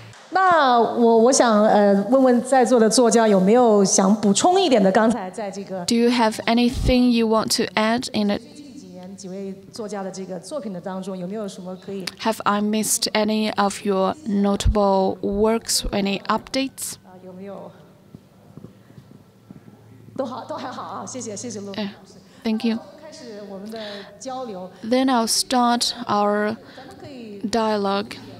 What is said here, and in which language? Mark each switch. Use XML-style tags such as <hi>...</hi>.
<zh>那我想问问在座的作家有没有想补充一点的？刚才在这个</zh> <en>，Do you have anything you want to add in it？</en> <zh>近几年几位作家的这个作品的当中，有没有什么可以</zh> <en>？Have I missed any of your notable works? Any updates？</en> <zh>啊，有没有？都好，都还好啊。谢谢陆老师。</zh> <en>Thank you。</en> <zh>开始我们的交流。</zh> <en>Then I'll start our dialogue.</en>